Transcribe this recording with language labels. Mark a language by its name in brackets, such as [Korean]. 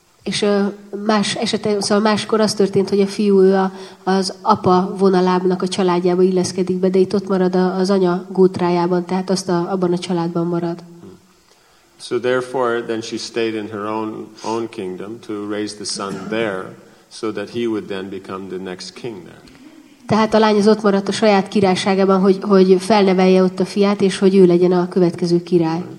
[Hungarian] És más esetben, szóval máskor az történt, hogy a fiú az apa vonalának a családjába illeszkedik be, de itt ott marad az anya gótrájában, tehát azt abban a családban marad. [English] So therefore, then she stayed in her own kingdom to raise the son there, so that he would then become the next king there. [Hungarian] Tehát a lány az ott maradt a saját királyságában, hogy felnevelje ott a fiát, és hogy ő legyen a következő király.